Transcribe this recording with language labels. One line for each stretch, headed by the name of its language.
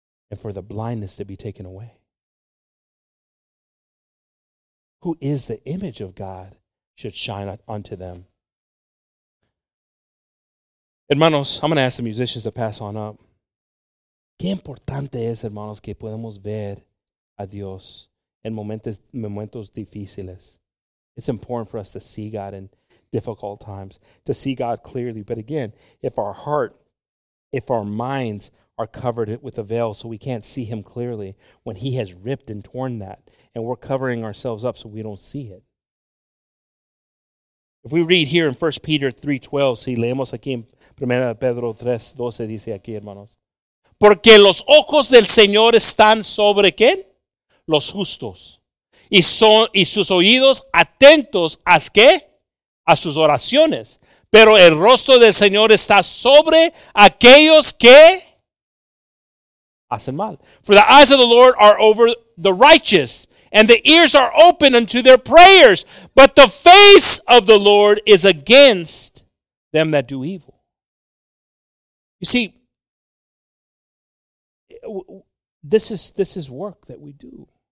English: And for the blindness to be taken away. Who is the image of God should shine unto them. Hermanos, I'm going to ask the musicians to pass on up.
Spanish: Qué importante es, hermanos, que podemos ver a Dios en momentos difíciles.
English: It's important for us to see God in difficult times, to see God clearly. But again, if our minds are covered with a veil so we can't see him clearly, when he has ripped and torn that, and we're covering ourselves up so we don't see it. If we read here in 1 Peter 3:12,
Spanish: si leemos aquí en 1 Pedro 3:12, dice aquí, hermanos. Porque los ojos del Señor están sobre ¿quién? Los justos. Y sus oídos atentos ¿a qué? A sus oraciones. Pero el rostro del Señor está sobre aquellos que hacen mal.
English: For the eyes of the Lord are over the righteous, and the ears are open unto their prayers. But the face of the Lord is against them that do evil. You see, this is work that we do.